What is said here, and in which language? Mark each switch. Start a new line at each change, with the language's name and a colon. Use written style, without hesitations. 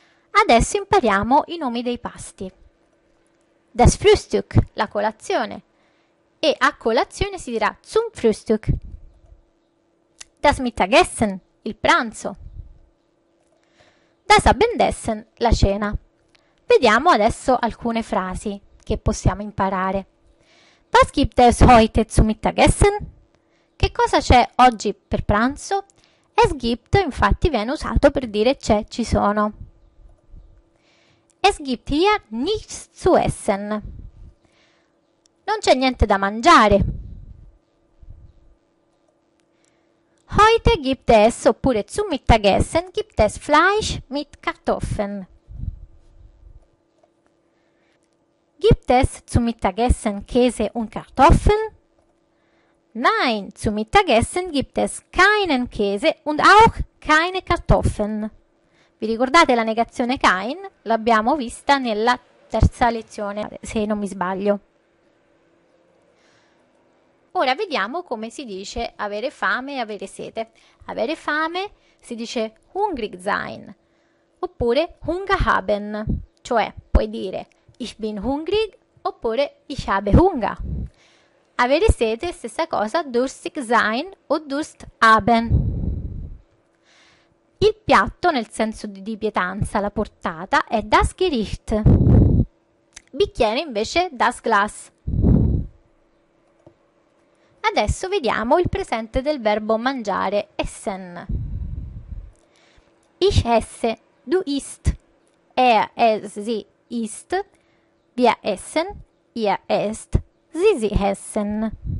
Italian: Adesso impariamo i nomi dei pasti.
German: Das Frühstück,
Italian: la colazione. E a colazione si dirà
German: zum Frühstück. Das Mittagessen,
Italian: il pranzo.
German: Das Abendessen,
Italian: la cena. Vediamo adesso alcune frasi che possiamo imparare.
German: Was gibt es heute zum Mittagessen?
Italian: Che cosa c'è oggi per pranzo?
German: Es gibt,
Italian: infatti, viene usato per dire c'è, ci sono.
German: Es gibt hier nichts zu essen.
Italian: Non c'è niente da mangiare.
German: Heute gibt es, oppure zum Mittagessen, gibt es Fleisch mit Kartoffeln. Gibt es zum Mittagessen Käse und Kartoffeln? Nein, zum Mittagessen gibt es keinen Käse und auch keine Kartoffeln.
Italian: Vi ricordate la negazione kein? L'abbiamo vista nella terza lezione, se non mi sbaglio. Ora vediamo come si dice avere fame e avere sete. Avere fame si dice
German: hungrig sein,
Italian: oppure
German: Hunger haben,
Italian: cioè puoi dire
German: ich bin hungrig
Italian: oppure
German: ich habe Hunger.
Italian: Avere sete, stessa cosa,
German: durstig sein
Italian: o
German: durst haben.
Italian: Il piatto, nel senso di pietanza, la portata, è
German: das Gericht.
Italian: Bicchiere invece
German: das Glas.
Italian: Adesso vediamo il presente del verbo mangiare, essen.
German: Ich esse, du isst, sie isst, wir essen, ihr esst, sie essen.